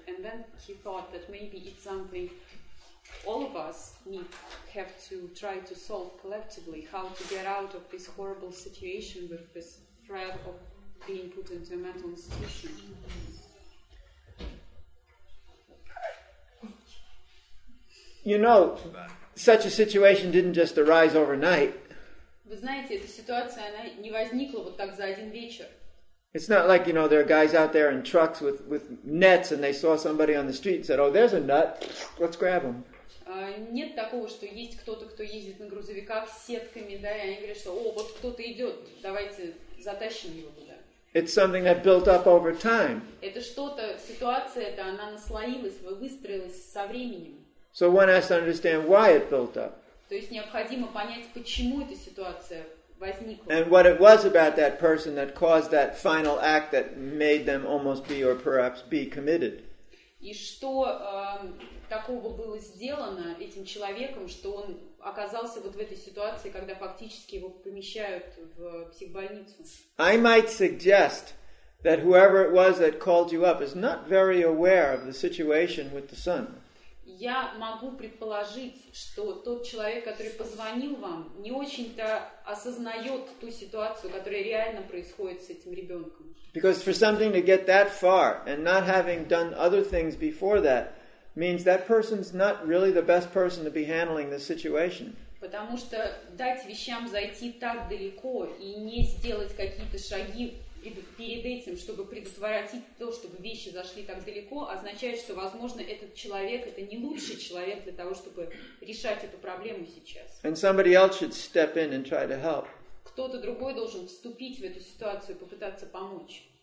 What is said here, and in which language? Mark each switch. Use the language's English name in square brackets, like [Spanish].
[English] And then he thought that maybe it's something all of us have to try to solve collectively, how to get out of this horrible situation with this threat of being put into a mental institution. You know, such a situation didn't just arise overnight. [Russian] Вы знаете, эта ситуация, она не возникла вот так за один вечер. [English] It's not like, you know, there are guys out there in trucks with nets and they saw somebody on the street and said, oh, there's a nut, let's grab him. [Russian] Нет такого, что есть кто-то, кто ездит на грузовиках с сетками, да, и они говорят, что, о, вот кто-то идет, давайте затащим его туда. [English] It's something that built up over time. [Russian] Это что-то, ситуация эта, она наслоилась, выстроилась со временем. [English] So one has to understand why it built up. [Russian] То есть необходимо понять, почему эта ситуация возникла. [English] And what it was about that person that caused that final act that made them almost be or perhaps be committed. [Russian] И что такого было сделано этим человеком, что он оказался вот в этой ситуации, когда фактически его помещают в психбольницу. [English] I might suggest that whoever it was that called you up is not very aware of the situation with the son. [Russian] Я могу предположить, что тот человек, который позвонил вам, не очень-то осознает ту ситуацию, которая реально происходит с этим ребенком. [English] Because for something to get that far and not having done other things before that means that person's not really the best person to be handling this situation. [Russian] Потому что дать вещам зайти так далеко и не сделать какие-то шаги перед этим, чтобы предотвратить то, чтобы вещи зашли так далеко, означает, что, возможно, этот человек это не лучший человек для того, чтобы решать эту проблему сейчас. [English] And somebody else should step in and try to help. [Russian] Кто-то другой должен вступить в эту ситуацию и попытаться помочь.